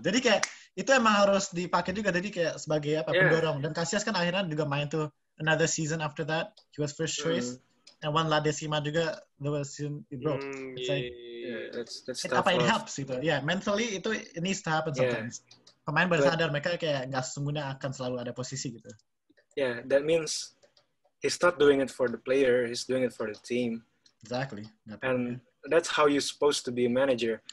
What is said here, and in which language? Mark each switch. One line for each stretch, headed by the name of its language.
Indonesian: Jadi kayak itu emang harus dipakai juga. Jadi kayak sebagai apa pendorong. Dan Casillas kan akhirnya juga main tuh
English: another season after that, he was first choice, and one La Decima juga, there was soon he broke. That's tough. It helps itu, yeah. Mentally itu it needs to happen sometimes.
Indonesian: Pemain baru sadar mereka kayak nggak semuanya akan selalu ada posisi gitu.
English: Yeah, that means he's not doing it for the player, he's doing it for the team. Exactly. That's how you supposed to be a manager.